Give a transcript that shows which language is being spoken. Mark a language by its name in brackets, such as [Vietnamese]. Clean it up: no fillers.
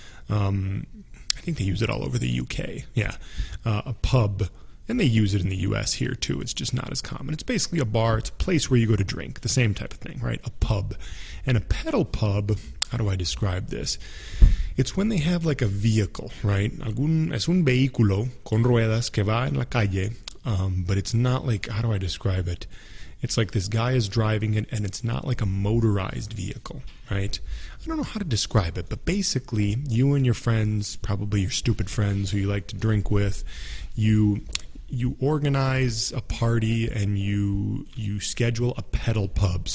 [English] I think they use it all over the UK. Yeah, a pub. And they use it in the U.S. here, too. It's just not as common. It's basically a bar. It's a place where you go to drink. The same type of thing, right? A pub. And a pedal pub, how do I describe this? It's when they have, like, a vehicle, right? [Spanish] Es un vehículo con ruedas que va en la calle. [English] But it's not like, how do I describe it? It's like this guy is driving it, and it's not like a motorized vehicle, right? I don't know how to describe it, but basically, you and your friends, probably your stupid friends who you like to drink with, you organize a party and you schedule a pedal pub.